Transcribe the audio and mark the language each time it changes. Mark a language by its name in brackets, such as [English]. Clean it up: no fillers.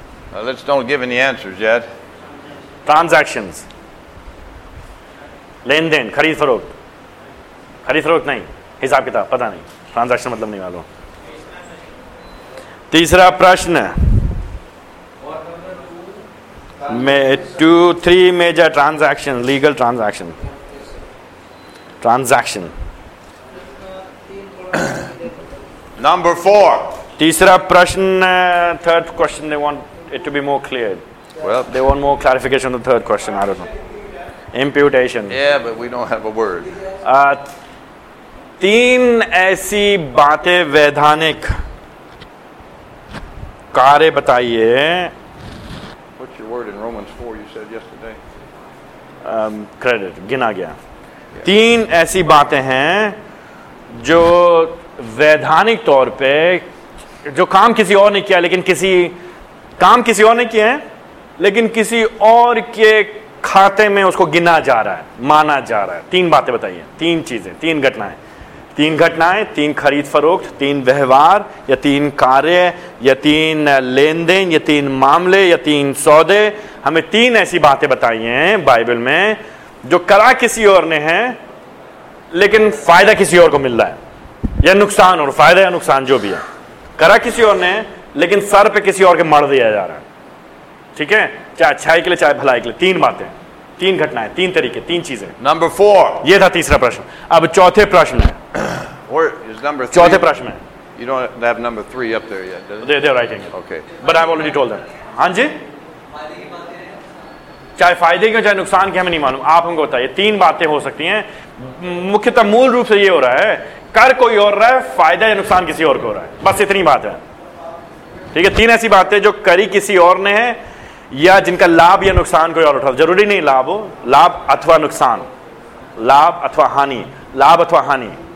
[English] Now let's don't give any answers yet. Transactions. [Hindi] Lane then, खरीद फरोख्त, खरीद फरोख्त नहीं, हिसाब किताब पता नहीं, ट्रांजैक्शन मतलब नहीं मालूम। तीसरा प्रश्न, [English] 3 major transactions, legal transaction. Transaction. Number 4. [Hindi] Tisra prashn, [English] third question, they want it to be more clear. Well, they want more clarification on the third question. I don't know. Imputation. Yeah, but we don't have a word. [Hindi] तीन ऐसी बातें वैधानिक कार्य बताइए. [English] What's your word in Romans 4 you said yesterday? [Hindi] Credit, गिना गया. तीन ऐसी बातें हैं जो वैधानिक तौर पे, जो काम किसी और ने किया, लेकिन किसी काम किसी और ने किए हैं, लेकिन किसी और के खाते में उसको गिना जा रहा है, माना जा रहा है. तीन बातें बताइए, तीन चीजें, तीन घटनाएं, तीन घटनाएं, तीन खरीद फरोख्त, तीन व्यवहार, या तीन कार्य, या तीन लेन देन, या तीन मामले, या तीन सौदे. हमें तीन ऐसी बातें बताइए बाइबल में जो करा किसी और ने है, लेकिन फायदा किसी और को मिल रहा है, या नुकसान और फायदा या नुकसान जो भी है, करा किसी और ने लेकिन सर पे किसी और के मर दिया जा रहा है. ठीक है, चाहे अच्छाई के लिए चाहे भलाई के लिए. तीन बातें, तीन घटनाएं, तीन तरीके, तीन चीजें. नंबर 4, ये था तीसरा प्रश्न. अब चौथे प्रश्न है. [English] Where is number 3? [Hindi] चौथे प्रश्न है. [English] You don't have number 3 up there yet, does it? They're writing it. Okay. But I've already told them. [Hindi] हां जी, चाहे फायदे की चाहे नुकसान की हमें नहीं मालूम, आप हमको बताइए. तीन बातें हो सकती हैं मुख्यतः, मूल रूप से ये हो रहा है, कर कोई और रहा है, फायदा या नुकसान किसी और को हो रहा है, बस इतनी बात है. ठीक है, तीन ऐसी बातें जो करी किसी और ने है, या जिनका लाभ या नुकसान कोई और उठा, जरूरी नहीं लाभ हो, लाभ अथवा नुकसान, लाभ अथवा हानि, लाभ अथवा हानि.